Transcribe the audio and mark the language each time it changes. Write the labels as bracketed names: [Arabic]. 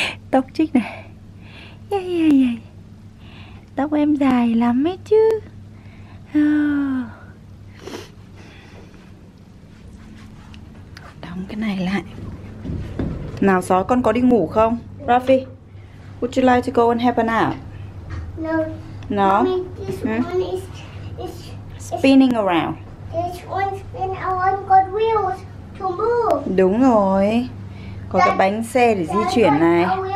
[Vietnamese] Tóc chích này. Yeah, yeah, yeah. Tóc em dài lắm ấy chứ. Đóng cái này lại. Nào sói, con có đi ngủ không? [English] Rafi, would you like to go and have a nap? No. No? This one is spinning around. This one spin around got wheels to move. [Vietnamese] Đúng rồi. Có cái bánh xe để di chuyển này.